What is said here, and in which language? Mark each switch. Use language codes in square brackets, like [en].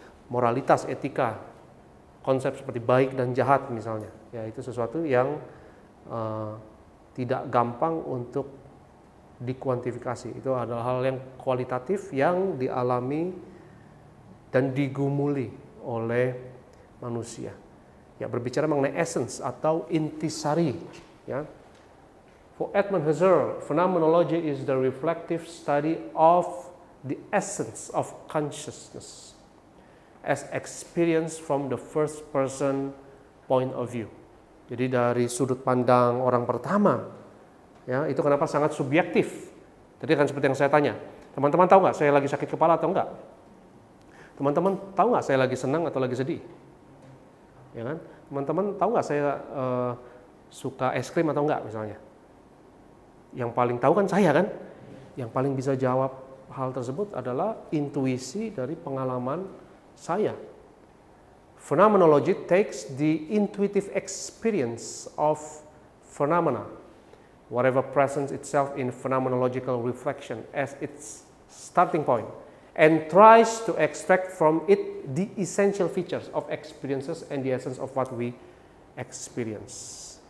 [id] Moralitas, etika, konsep seperti baik dan jahat misalnya, ya, itu sesuatu yang tidak gampang untuk dikuantifikasi. Itu adalah hal yang kualitatif yang dialami dan digumuli oleh manusia. Ya, berbicara mengenai essence atau intisari, ya. [en] For Edmund Husserl, phenomenology is the reflective study of the essence of consciousness as experienced from the first person point of view. [id] Jadi dari sudut pandang orang pertama, ya, itu kenapa sangat subjektif. Tadi kan seperti yang saya tanya, teman-teman tahu nggak saya lagi sakit kepala atau enggak? Teman-teman tahu nggak saya lagi senang atau lagi sedih? Ya kan? Teman-teman tahu nggak saya suka es krim atau enggak misalnya? Yang paling tahu kan saya kan? Yang paling bisa jawab hal tersebut adalah intuisi dari pengalaman saya. [en] Phenomenology takes the intuitive experience of phenomena, whatever presents itself in phenomenological reflection as its starting point, and tries to extract from it the essential features of experiences and the essence of what we experience.